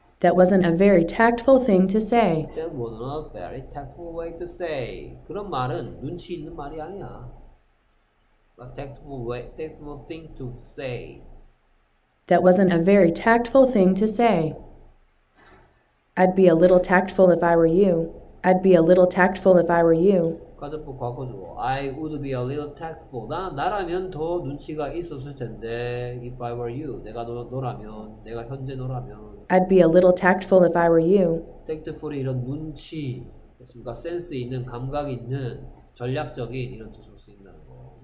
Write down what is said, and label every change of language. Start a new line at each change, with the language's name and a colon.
English: That wasn't a very tactful thing to say. That was not a very tactful way to say.
Korean: 그런 말은 눈치 있는 말이 아니야.
English: A tactful way, tactful thing to say. That wasn't a very tactful thing to say. I'd be a little tactful if I were you. I'd be a little tactful if I were you.
Korean: 과거 과거죠.
English: I would be a little tactful.
Korean: 나라면 더 눈치가 있었을 텐데.
English: If I were you.
Korean: 내가 너라면. 내가 현재 너라면.
English: I'd be a little tactful if I were you.
Korean: Tactful 이런 눈치, 그러니까 센스 있는 감각 있는 전략적인 이런 뜻으로 쓰인다는 거.